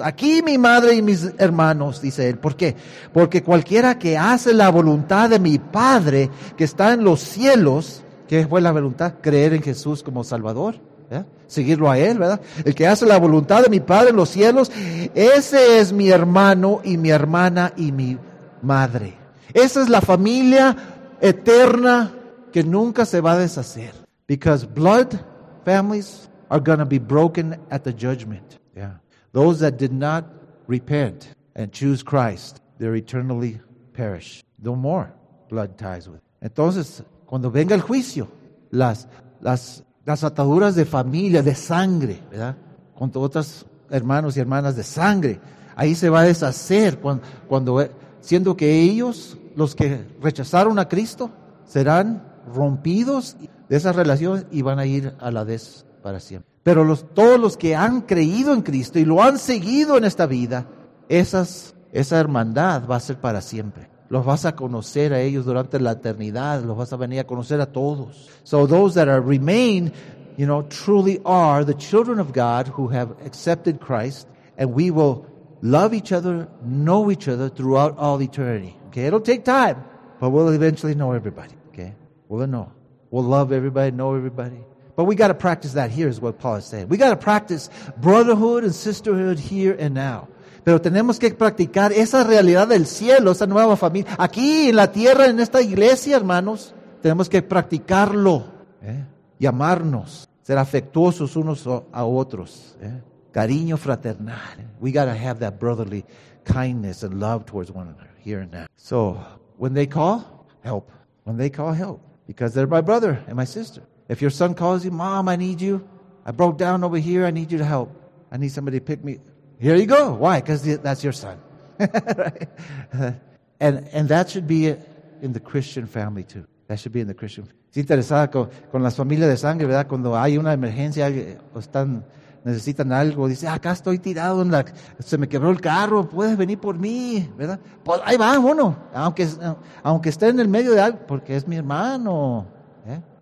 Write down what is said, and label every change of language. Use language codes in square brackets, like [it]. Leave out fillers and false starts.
[es] Aquí mi madre y mis hermanos, dice él. ¿Por qué? Porque cualquiera que hace la voluntad de mi Padre que está en los cielos, ¿qué fue la voluntad? Creer en Jesús como Salvador, ¿verdad? Seguirlo a él, ¿verdad? El que hace la voluntad de mi Padre en los cielos, ese es mi hermano y mi hermana y mi madre. Esa es la familia eterna que nunca se va a deshacer. [en] Because blood families are going to be broken at the judgment. Yeah. Those that did not repent and choose Christ, they're eternally perish. No more blood ties with. [es] Entonces, cuando venga el juicio, las ataduras de familia, de sangre, ¿verdad? Con otros hermanos y hermanas de sangre, ahí se va a deshacer cuando siendo que ellos, los que rechazaron a Cristo, serán rompidos de esas relaciones y van a ir a la deshacer. Para siempre. Pero todos los que han creído en Cristo y lo han seguido en esta vida, esa hermandad va a ser para siempre. Los vas a conocer a ellos durante la eternidad, los vas a venir a conocer a todos. [en] So those that are remain, you know, truly are the children of God who have accepted Christ, and we will love each other, know each other throughout all eternity. Okay, it'll take time, but we'll eventually know everybody. Okay, we'll know. We'll love everybody, know everybody. But we got to practice that here, is what Paul is saying. We got to practice brotherhood and sisterhood here and now. [es] Pero tenemos que practicar esa realidad del cielo, esa nueva familia. Aquí en la tierra, en esta iglesia, hermanos, tenemos que practicarlo. ¿Eh? Y amarnos, ser afectuosos unos a otros. ¿Eh? Cariño fraternal. [en] We got to have that brotherly kindness and love towards one another here and now. So, when they call, help. When they call, help. Because they're my brother and my sister. If your son calls you, mom, I need you. I broke down over here. I need you to help. I need somebody to pick me. Here you go. Why? Because that's your son. Right? And that should be in the Christian family too. That should be in the Christian family. [es] Es interesante con las familias de sangre, ¿verdad? Cuando hay una emergencia o necesitan algo, dice, acá estoy tirado, se me quebró el carro, puedes venir por mí, ¿verdad? Pues ahí va uno, aunque esté en el medio de algo, porque es mi hermano, ¿eh?